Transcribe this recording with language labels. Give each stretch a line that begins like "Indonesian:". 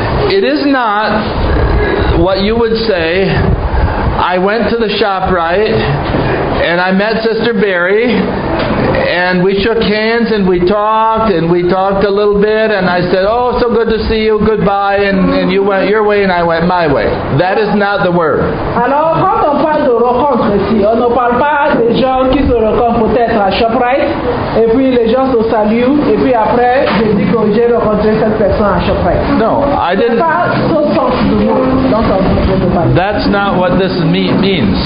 English: It is not what you would say, I went to the shop right, and I met Sister Barry, and we shook hands, and we talked a little bit, and I said, oh, so good to see you, goodbye, and you went your way, and I went my way. That is not the word.
French: Alors, quand on parle de rencontre ici, on ne parle pas des gens qui se rencontrent peut-être à ShopRite, et puis les gens se saluent, et puis après, je dis que j'ai rencontré cette personne à ShopRite.
English: No, I didn't.
French: C'est pas ce sens du mot.
English: That's not what this means.